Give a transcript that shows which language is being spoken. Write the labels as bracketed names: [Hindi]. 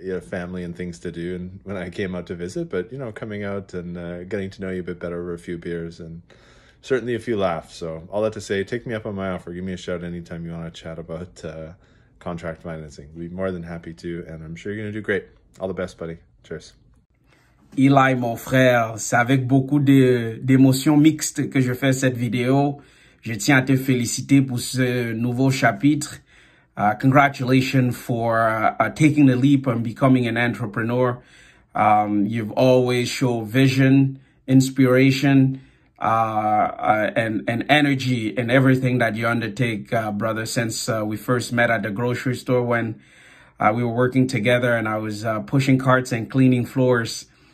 [English] You had a family and things to do and when I came out to visit. But, you know, coming out and getting to know you a bit better over a few beers and certainly a few laughs. So all that to say, take me up on my offer. Give me a shout anytime you want to chat about contract financing. We'd be more than happy to. And I'm sure you're going to do great. All the best, buddy. Cheers. [French] Eli, mon frère, c'est avec beaucoup d'émotions mixtes que je fais cette vidéo. Je tiens à te féliciter pour ce nouveau chapitre. [English] Congratulations for taking the leap and becoming an entrepreneur. You've always shown vision, inspiration, and energy in everything that you undertake, brother, since we first met at the grocery store when we were working together and I was pushing carts and cleaning floors.